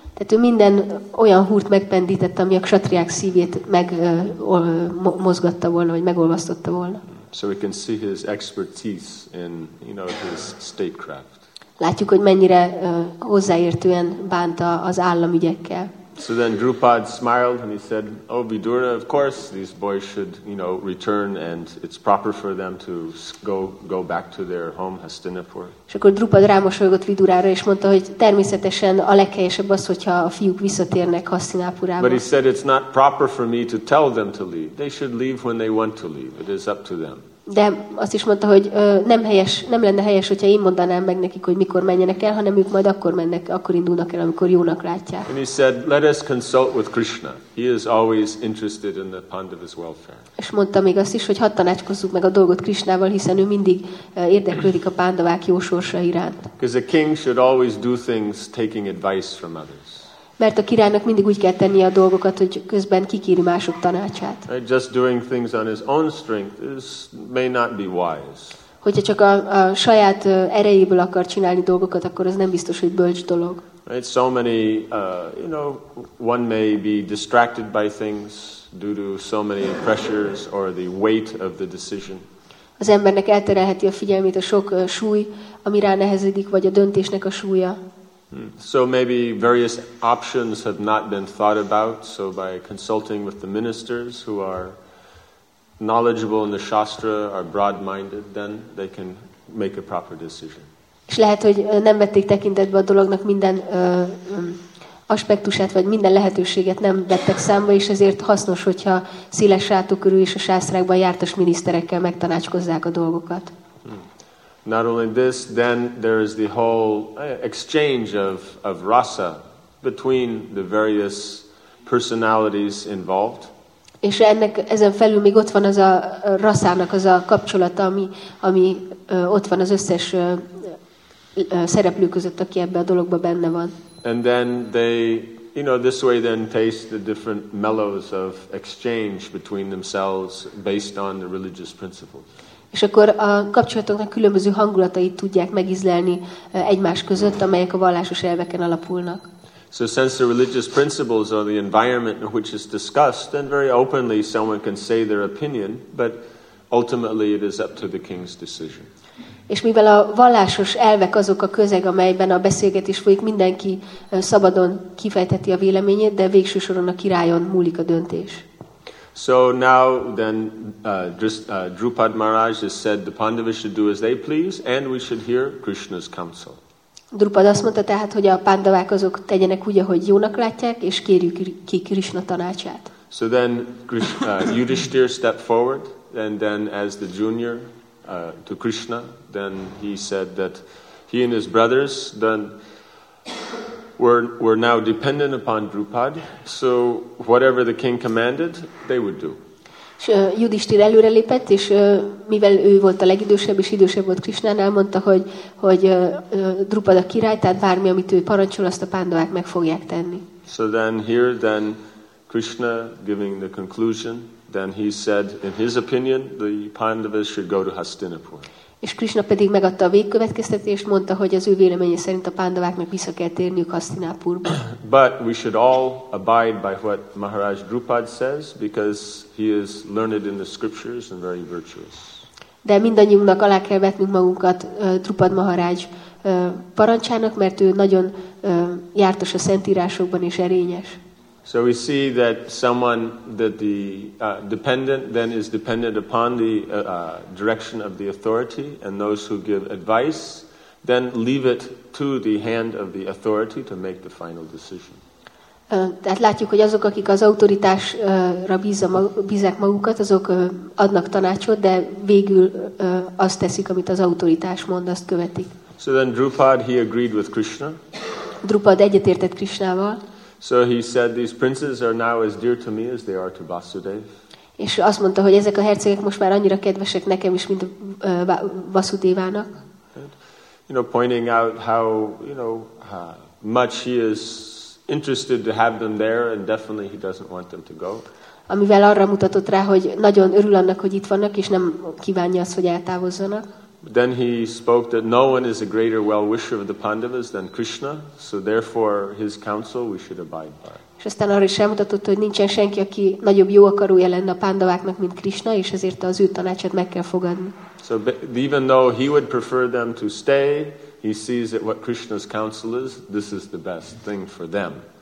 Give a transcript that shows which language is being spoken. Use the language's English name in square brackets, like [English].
[Hungarian] Tehát ő minden olyan húrt megpendített, ami a ksatriák szívét megmozgatta volna, vagy megolvasztotta volna. [English] So we can see his expertise in, his statecraft. [Hungarian] Látjuk, hogy mennyire hozzáértően bánt az államügyekkel. [English] So then Drupad smiled and he said, "Oh Vidura, of course these boys should, return and it's proper for them to go back to their home Hastinapur." [Hungarian] És akkor Drupad rámosolygott Vidurára és mondta, hogy természetesen a leghelyesebb az, hogyha a fiúk visszatérnek Hastinapurába. [English] But he said it's not proper for me to tell them to leave. They should leave when they want to leave. It is up to them. [Hungarian] De azt is mondta, hogy nem lenne helyes, hogyha én mondanám meg nekik, hogy mikor menjenek el, hanem ők majd akkor indulnak el, amikor jónak látják. [English] And he said, "Let us consult with Krishna. He is always interested in the Pandavas' welfare." [Hungarian] És mondta még azt is, hogy hadd tanácskozzuk meg a dolgot Krishnával, hiszen ő mindig érdeklődik a pándavák jó sorsa iránt. [English] Because a king should always do things taking advice from others. [Hungarian] Mert a királynak mindig úgy kell tennie a dolgokat, hogy közben kikéri mások tanácsát. [English] Just doing things on his own strength is may not be wise. [Hungarian] Hogyha csak a saját erejéből akar csinálni dolgokat, akkor az nem biztos, hogy bölcs dolog. [English] Right, so many, you know, one may be distracted by things due to so many pressures or the weight of the decision. [Hungarian] Az embernek elterelheti a figyelmét a sok súly, ami rá nehezedik, vagy a döntésnek a súlya. [English] So maybe various options have not been thought about, so by consulting with the ministers who are knowledgeable in the Shastra, are broad-minded, then they can make a proper decision. [Hungarian] És lehet, hogy nem vették tekintetbe a dolognak minden aspektusát, vagy minden lehetőséget nem vettek számba, és ezért hasznos, hogyha széles sátorkörű és a sásztrákban jártas miniszterekkel megtanácskozzák a dolgokat. [English] Not only this, then there is the whole exchange of rasa between the various personalities involved. [Hungarian] És ennek ezen felül még ott van az a rasának az a kapcsolata, ami ott van az összes szereplő között, aki ebbe a dologba benne van. [English] And then they, you know, this way then taste the different mellows of exchange between themselves based on the religious principles. [Hungarian] És akkor a kapcsolatoknak különböző hangulatait tudják megízlelni egymás között, amelyek a vallásos elveken alapulnak. [English] So since the religious principles are the environment in which it's discussed, then very openly someone can say their opinion, but ultimately it is up to the king's decision. [Hungarian] És mivel a vallásos elvek azok a közeg, amelyben a beszélgetés folyik, mindenki szabadon kifejtheti a véleményét, de végső soron a királyon múlik a döntés. [English] So now then Drupad Maharaj has said the Pandavas should do as they please, and we should hear Krishna's counsel. [Hungarian] Drupad azt mondta tehát, hogy a pandavák azok tegyenek úgy, ahogy jónak látják, és kérjük ki Krishna tanácsát. [English] So then Yudhishthira stepped forward, and then as the junior to Krishna, then he said that he and his brothers then were now dependent upon Drupad, so whatever the king commanded, they would do. [Hungarian] És Yudhishthira előrelépett, és mivel ő volt a legidősebb, és idősebb volt Krishnánál, mondta, hogy Drupad a király, tehát bármi, amit ő parancsol, azt a pándavák meg fogják tenni. [English] So then here, then Krishna giving the conclusion, then he said, in his opinion, the Pandavas should go to Hastinapur. [Hungarian] És Krishna pedig megadta a végkövetkeztetést, mondta, hogy az ő véleménye szerint a pándaváknak vissza kell térniük Hastinapurba. [English] But we should all abide by what Maharaj Drupad says, because he is learned in the scriptures and very virtuous. [Hungarian] De mindannyiunknak alá kell vetnünk magunkat Drupad Maharaj parancsának, mert ő nagyon jártas a szentírásokban és erényes. [English] So we see that someone that the dependent then is dependent upon the direction of the authority, and those who give advice then leave it to the hand of the authority to make the final decision. [Hungarian] Tehát látjuk, hogy azok, akik az autoritásra bízzák magukat, azok adnak tanácsot, de végül azt teszik, amit az autoritás mond, azt követik. [English] So then Drupad, he agreed with Krishna. [Hungarian] Drupad egyetértett Krishnával. [English] So he said, these princes are now as dear to me as they are to Vasudev. [Hungarian] És azt mondta, hogy ezek a hercegek most már annyira kedvesek nekem is, mint Vasudevának. [English] You know, pointing out how, you know, much he is interested to have them there, and definitely he doesn't want them to go. [Hungarian] Amivel arra mutatott rá, hogy nagyon örül annak, hogy itt vannak, és nem kívánja azt, hogy eltávozzanak. [English] Then he spoke that no one is a greater well-wisher of the Pandavas than Krishna, so therefore his counsel we should abide by. [Hungarian] És aztán arra is elmutatott, hogy nincsen senki, aki nagyobb jó akarója lenne a pandaváknak, mint Krishna, és ezért az ő tanácsát meg kell fogadni. [English] So even though he would prefer them to stay, he sees that what Krishna's counsel is, this is the best thing for them.